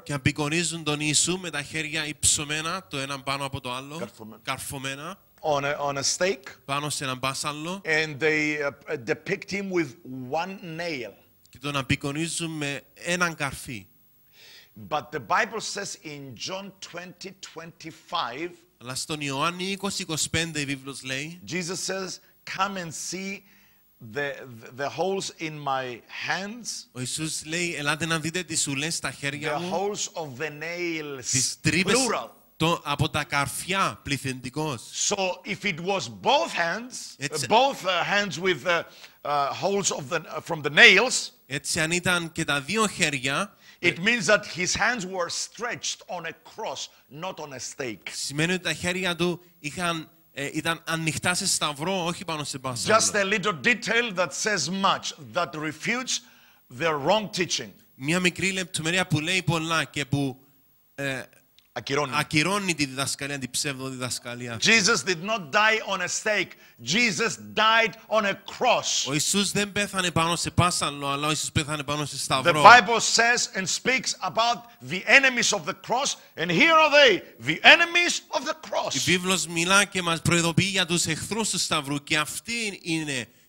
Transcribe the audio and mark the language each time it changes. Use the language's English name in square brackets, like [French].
[Greek] Και απεικονίζουν τον Ιησού με τα χέρια υψωμένα, το ένα πάνω από το άλλο, καρφωμένα. [English] On a stake. [Greek] Πάνω σε ένα πάσαλο. [English] And they depict him with one nail. [Greek] Και τον απεικονίζουν με έναν καρφί. [English] But the Bible says in John 20:25. [Greek] Αλλά στον Ιωάννη 20:25 η Βίβλος λέει. [English] Jesus says, "Come and see the holes in my hands." [Greek] Ο Ιησούς λέει, ελάτε να δείτε τις ουλές στα χέρια μου. [English] The holes of the nails. [Greek] Τις τρύπες. [English] Plural. [Greek] Το από τα καρφιά πληθυντικός. [English] So if it was both hands, both hands with the holes of the from the nails. [Greek] Έτσι αν ήταν και τα δύο χέρια. [English] It means that his hands were stretched on a cross, not on a stake. [Greek] Σημαίνει ότι τα χέρια του ήταν ανοιχτά σε σταυρό, όχι πάνω σε πάσαλο. [English] Just a little detail that says much, that refutes the wrong teaching. [Greek] Μια μικρή λεπτομέρεια που λέει πολλά και που ακυρώνει τη διδασκαλία, την ψευδοδιδασκαλία. [English] Jesus did not die on a stake. Jesus died on a cross. [Greek] Ο Ιησούς δεν πέθανε πάνω σε πάσαλο, αλλά ο Ιησούς πέθανε πάνω σε σταυρό. [English] The Bible says and speaks about the enemies of the cross, and here are they, the enemies of the cross. [Greek] Η Βίβλος μιλά και μας προειδοποιεί για τους εχθρούς του σταυρού, και αυτοί είναι.